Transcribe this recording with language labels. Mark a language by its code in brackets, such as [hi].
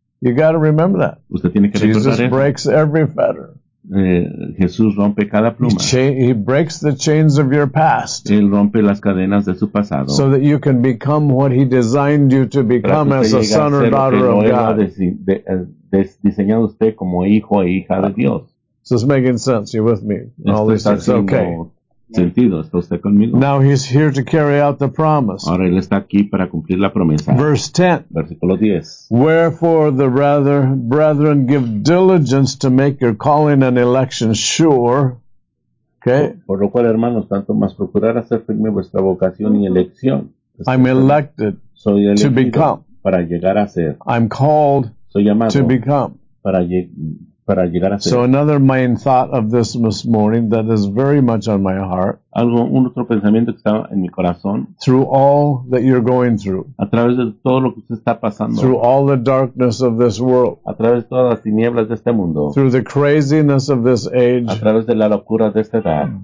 [en] You got to remember that. [es] Usted tiene que [en] Jesus [es] recordar [en] breaks [es] eso. [en] Every fetter. [es] Jesús rompe cada pluma. [en] He breaks the chains of your past. [es] Él rompe las cadenas de su pasado. [en] So that you can become what he designed you to become as a son or daughter of God. [es] Diseñado usted como hijo e hija de Dios. [en] So it's making sense. You're with me. All [es] está [en] this is okay. [es] Sentido. ¿Está usted conmigo? [en] Now he's here to carry out the promise. [es] Ahora él está aquí para cumplir la promesa. [en] Verse 10. [es] Versículo 10. [en] Wherefore the rather, brethren, give diligence to make your calling and election sure. Okay. [es] Por lo cual, hermanos, tanto más procurar hacer firme vuestra vocación y elección. [en] I'm elected [es] soy [en] to become. [es] Para llegar a ser. [en] I'm called [es] soy llamado [en] to become. [es] Para llegar a ser. [en] So another main thought of this morning that is very much on my heart. [es] Algo, un otro pensamiento que estaba en mi corazón. [en] Through all that you're going through. [es] A través de todo lo que usted está pasando. [en] Through all the darkness of this world. [es] A través de todas las tinieblas de este mundo. [en] Through the craziness of this age. [es] A través de la locura de esta edad.